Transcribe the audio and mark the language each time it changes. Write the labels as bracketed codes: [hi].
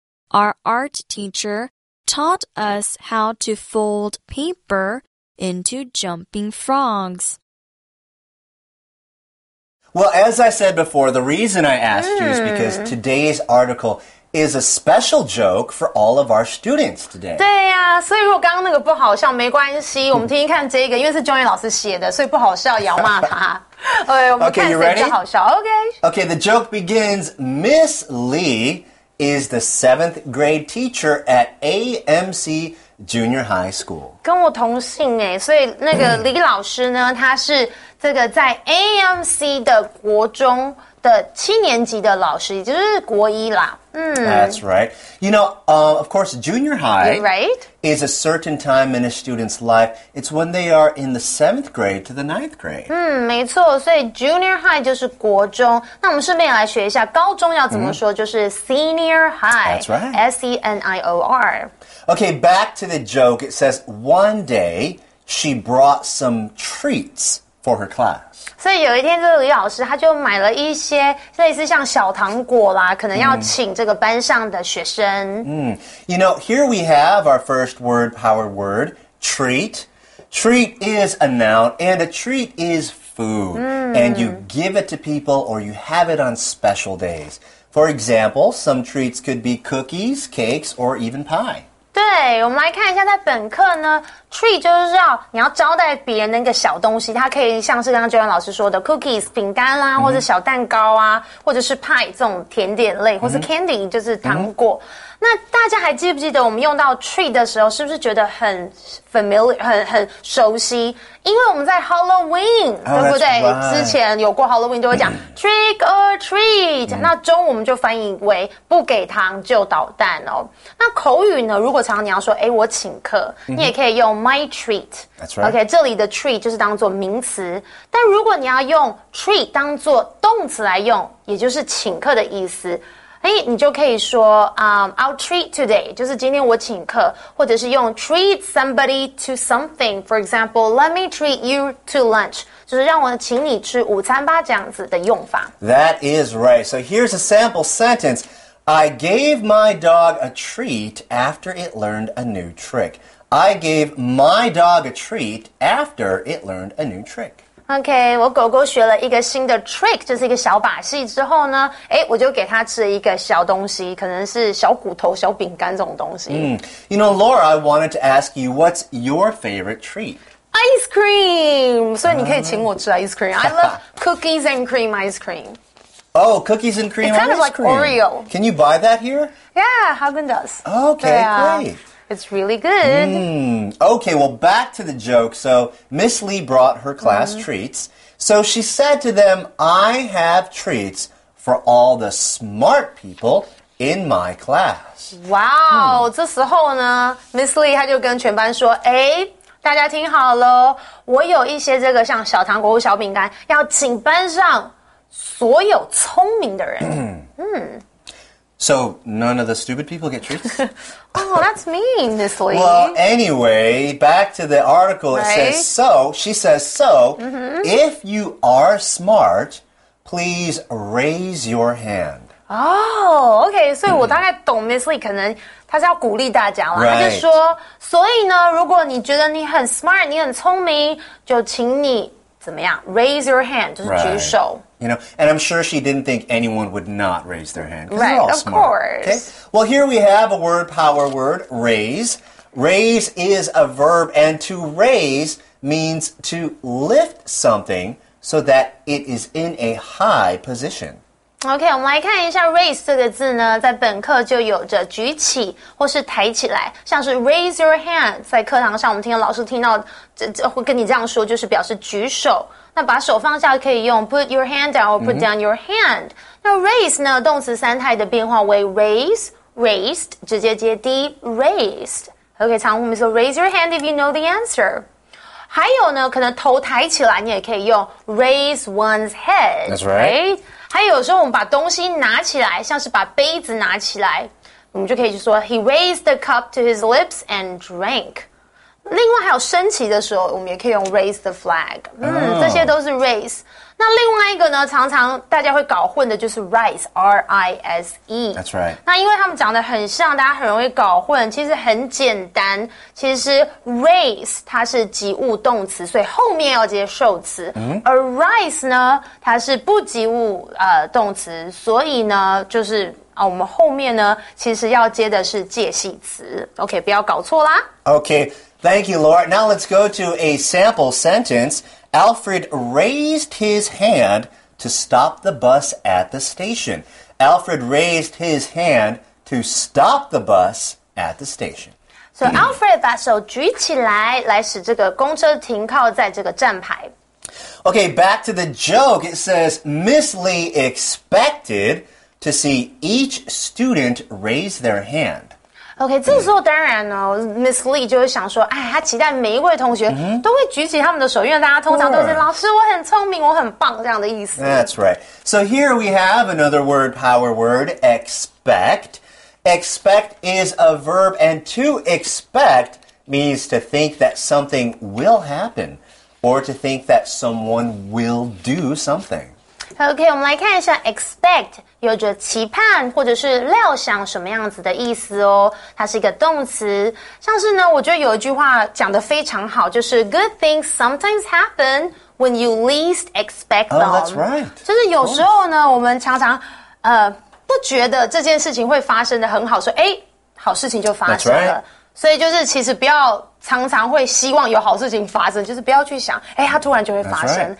[en] Our art teacher taught us how to fold paper into jumping frogs. Well, as I said before, the reason I asked you is because today's article is a special joke for all of our students today. [zh] 对呀，所以如果刚刚那个不好笑，没关系，我们听听看这个，因为是 Johnny 老师写的，所以不好笑也要骂他。 [en] Okay, you ready? Okay, the joke begins, Miss Lee is the 7th grade teacher at AMC Junior High School. [zh] 跟我同姓耶，所以那个李老师呢，他是这个在 AMC 的国中的七年级的老师，也就是国一啦。 [en] That's right. You know, of course, junior high right. is a certain time in a student's life. It's when they are in the 7th grade to the 9th grade. [zh] 没错，所以 junior high 就是国中。那我们顺便来学一下高中要怎么说，就是 senior high. [en] That's right. S-E-N-I-O-R. Okay, back to the joke. It says, one day, she brought some treats for her class. [zh] 所以有一天这个李老师他就买了一些类似像小糖果啦可能要请这个班上的学生。 [en] You know, here we have our first word power word, treat. Treat is a noun, and a treat is food. And you give it to people or you have it on special days. For example, some treats could be cookies, cakes, or even pie. [zh] 对我们来看一下在本课呢 treat 就是要你要招待别人的一个小东西它可以像是刚刚 Joanne 老师说的 cookies 饼干啦、或者小蛋糕啊或者是 pie 这种甜点类或是 candy 就是糖果那大家还记不记得我们用到 treat 的时候是不是觉得很 familiar 很熟悉因为我们在 Halloween、对不对、之前有过 Halloween 就会讲、 [en] trick or treat、 [zh] 那中文我们就翻译为不给糖就捣蛋哦那口语呢如果常常你要说诶我请客你也可以用 [en] my treat That's right. [zh] OK 这里的 treat 就是当做名词但如果你要用 treat 当做动词来用也就是请客的意思哎，你就可以说、 [en] I'll treat today [zh] 就是今天我请客或者是用 [en] treat somebody to something For example, let me treat you to lunch [zh] 就是让我请你吃午餐吧这样子的用法 [en] That is right So here's a sample sentence I gave my dog a treat after it learned a new trick I gave my dog a treat after it learned a new trick [zh] OK, 我狗狗学了一个新的 trick, 就是一个小把戏之后呢诶我就给它吃了一个小东西可能是小骨头小饼干这种东西。 [en] You know, Laura, I wanted to ask you, what's your favorite treat? Ice cream! [zh] 所以你可以请我吃 ice cream. [en] I love cookies and cream ice cream. Oh, cookies and cream ice cream. It's kind of like Oreo. Can you buy that here? Yeah, Haagen-Dazs. OK, great. It's really good. Okay, well, back to the joke. So, Miss Lee brought her class treats. So, she said to them, I have treats for all the smart people in my class. [zh] Wow, 这时候呢 Miss Lee 她就跟全班说，诶，大家听好咯，我有一些这个像小糖果或小饼干，要请班上所有聪明的人。 [en] So, none of the stupid people get treats? Oh, that's mean, Miss Lee. Well, anyway, back to the article. It says, so, she says, so, if you are smart, please raise your hand. Oh, okay, so [zh] 我大概懂 Miss Lee, 可能她是要鼓励大家啦。 [en] Right. [zh] 她就说，所以呢，如果你觉得你很 smart, 你很聪明，就请你怎么样 [en] raise your hand, [zh] 就是举手。 [en] Right. You know, and I'm sure she didn't think anyone would not raise their hand. Right, they're all of smart. Course. Okay? Well, here we have a word, power word, raise. Raise is a verb, and to raise means to lift something so that it is in a high position. [zh] Okay, 我们来看一下 raise 这个字呢，在本课就有着举起或是抬起来，像是 [en] raise your hand, [zh] 在课堂上我们听到老师听到会跟你这样说，就是表示举手。那把手放下可以用 [en] put your hand down or put down your hand. [zh] 那 raise 呢动词三态的变化为 raise, raised, 直接接 d, raised. [en] OK, [zh] 常我们说 [en] raise your hand if you know the answer. [zh] 还有呢可能头抬起来你也可以用 [en] raise one's head. That's right. right. [zh] 还有时候我们把东西拿起来像是把杯子拿起来我们就可以说 [en] he raised the cup to his lips and drank. [zh] 另外还有升旗的时候我们也可以用 [en] raise the flag、 [zh] 这些都是 raise 那另外一个呢常常大家会搞混的就是 rise R-I-S-E [en] That's right [zh] 那因为他们讲得很像大家很容易搞混其实很简单其实 raise 它是及物动词所以后面要接受词、而 rise 呢它是不及物、动词所以呢就是、我们后面呢其实要接的是介系词 OK 不要搞错啦 [en] OKThank you, Laura. Now let's go to a sample sentence. Alfred raised his hand to stop the bus at the station. Alfred raised his hand to stop the bus at the station. [zh] So Alfred 把手举起来来使这个公车停靠在这个站牌。 [en] Okay, back to the joke. It says, Miss Lee expected to see each student raise their hand. [zh] OK, 这时候当然呢 Miss Lee 就会想说哎她期待每一位同学都会举起他们的手因为大家通常都是老师我很聪明我很棒这样的意思。 [en] That's right. So here we have another word, power word, expect. Expect is a verb and to expect means to think that something will happen or to think that someone will do something. [zh] OK, 我们来看一下 expect 有着期盼或者是料想什么样子的意思哦。它是一个动词。像是呢，我觉得有一句话讲得非常好，就是 [en] good things sometimes happen when you least expect them. Oh, that's right. [zh] 就是有时候呢，我们常常不觉得这件事情会发生的很好，说哎，好事情就发生了。 [en] That's right. [zh] 所以就是其实不要常常会希望有好事情发生，就是不要去想哎，它突然就会发生。